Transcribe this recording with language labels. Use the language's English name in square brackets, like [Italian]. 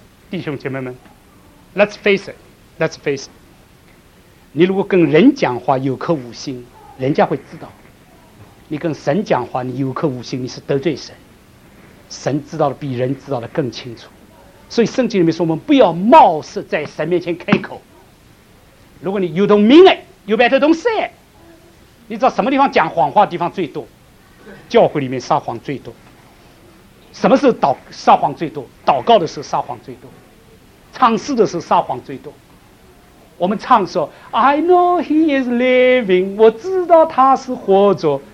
[Chinese] 弟兄姐妹们， [English] Let's face it, Let's face it. [Chinese] 你如果跟人讲话有口无心，人家会知道。你跟神讲话你有口无心，你是得罪神，神知道的比人知道的更清楚。所以圣经里面说我们不要冒失在神面前开口。如果你 [English] you don't mean it, you better don't say it。 [Chinese] 你知道什么地方讲谎话的地方最多？教会里面撒谎最多。什么时候撒谎最多？祷告的时候撒谎最多，唱诗的时候撒谎最多。我们唱说 [English] I know he is living， [Chinese] 我知道他是活着。